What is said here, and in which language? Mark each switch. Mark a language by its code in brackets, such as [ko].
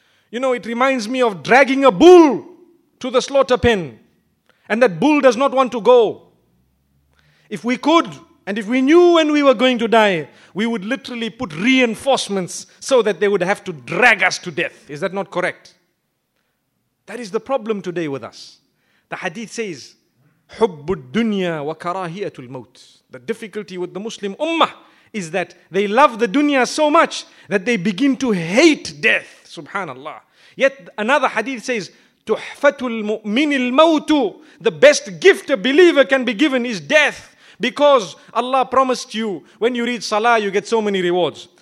[en] You know, it reminds me of dragging a bull to the slaughter pen. And that bull does not want to go. If we could, and if we knew when we were going to die, we would literally put reinforcements so that they would have to drag us to death. Is that not correct? That is the problem today with us. [ar] The hadith says, حُبُّ الدُّنْيَا وَكَرَاهِيَةُ الْمَوْتِ. [en] The difficulty with the Muslim ummah is that they love the dunya so much that they begin to hate death. Subhanallah. [ar] Yet another hadith says, تُحْفَةُ الْمُؤْمِنِ الْمَوْتُ. [en] The best gift a believer can be given is death. Because Allah promised you, when you read salah, you get so many rewards.